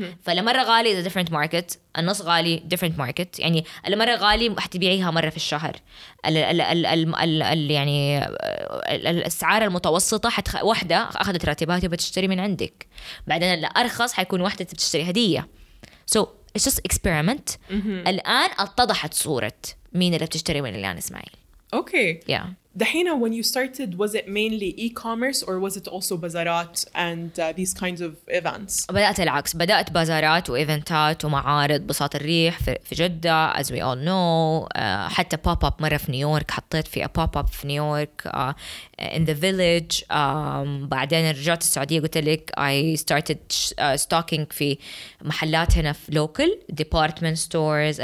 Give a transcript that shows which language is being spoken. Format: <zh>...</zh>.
<ar>فالمرة غالي إذا</ar> <en>different market,</en> <ar>النص غالي different market, يعني المرة غالي حتبيعيها مرة في الشهر, يعني الأسعار المتوسطة واحدة أخذت راتبات وبتشتري من عندك, بعدنا الأرخص حيكون واحدة بتشتري هدية.</ar> <en>So it's just experiment.</en> <ar>الآن اتضحت صورة مين اللي بتشتري من ليليان إسماعيل.</ar> <en>Okay. Yeah.</en> <ar>دحينا,</ar> <en>when you started, was it mainly e-commerce or was it also bazaarات and these kinds of events?</en> <ar>بدأت العكس. بدأت بازارات وإيفنتات ومعارض بساط الريح في جدة,</ar> <en>as we all know.</en> <ar>حتى pop-up مرة في نيويورك, حطيت في a pop-up في نيويورك</ar> <en>in the village.</en> <ar>بعدين رجعت السعودية, قلت لك</ar> <en>I started stocking</en> <ar>في محلات هنا في</ar> <en>local department stores.</en>